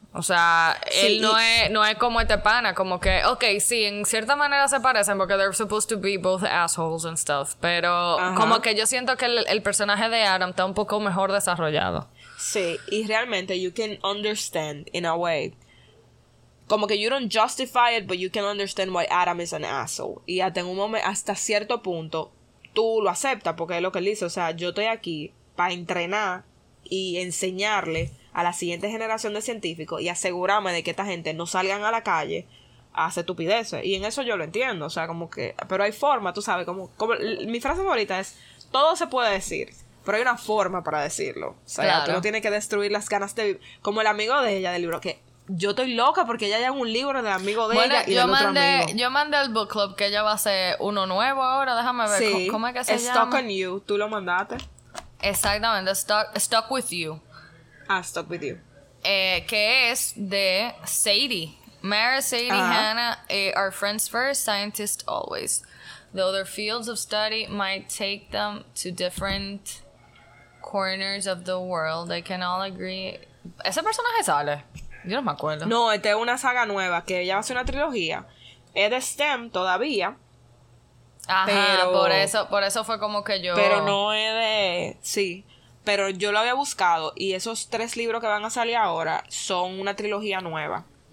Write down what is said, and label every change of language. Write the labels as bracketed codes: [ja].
[es] O sea, sí, él no es como este pana, como que, okay, sí, en cierta manera se parecen porque [en] they're supposed to be both assholes and stuff, [es] pero como que yo siento que el personaje de Adam está un poco mejor desarrollado. Sí, y realmente [en] you can understand in a way, [es] como que [en] you don't justify it, but you can understand why Adam is an asshole. [es] Y hasta en un momento, hasta cierto punto, tú lo aceptas, porque es lo que él dice. O sea, yo estoy aquí para entrenar y enseñarle a la siguiente generación de científicos y asegurarme de que esta gente no salgan a la calle a hacer estupideces. Y en eso yo lo entiendo, o sea, como que... Pero hay forma, tú sabes, como mi frase favorita es, todo se puede decir, pero hay una forma para decirlo. O sea, claro, tú no tienes que destruir las ganas de vivir. Como el amigo de ella del libro, que yo estoy loca porque ella lleva un libro del amigo de ella y del mandé, otro amigo. Yo mandé el book club, que ella va a hacer uno nuevo ahora, déjame ver, sí, ¿cómo es que se [en] stuck [es] llama? Stuck on You, tú lo mandaste. Exactamente, Stuck With You. Ah, Stuck With You. Que es de [en] Sadie. Mara, Sadie, Hannah, our friends first, scientists always. The other fields of study might take them to different corners of the world. They can all agree. [es] ¿Ese personaje sale? Yo no me acuerdo. No, este es una saga nueva, que ya va a ser una trilogía. Es de STEM todavía. Ajá, pero, por eso fue como que yo... Pero no es de... Sí, pero yo lo había buscado y esos tres libros que van a salir ahora son una trilogía nueva.